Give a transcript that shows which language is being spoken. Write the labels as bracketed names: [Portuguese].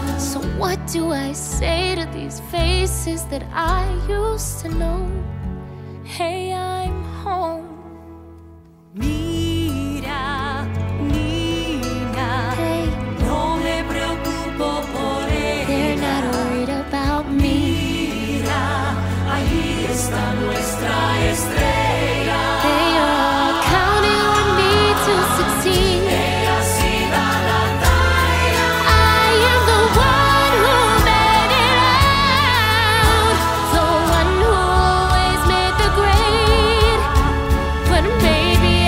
[English] So what do I say to these faces that I used to know? Hey, I'm home. [Spanish] Mira, Nina, [English] hey, [Spanish] no me preocupo por ella. [English] They're not worried about me. [Spanish] Mira, ahí está nuestra estrella. [English] They are counting on me to succeed. [Spanish] Ella sí da la talla. [English] I am the one who made it out. The one who always made the grade. But maybe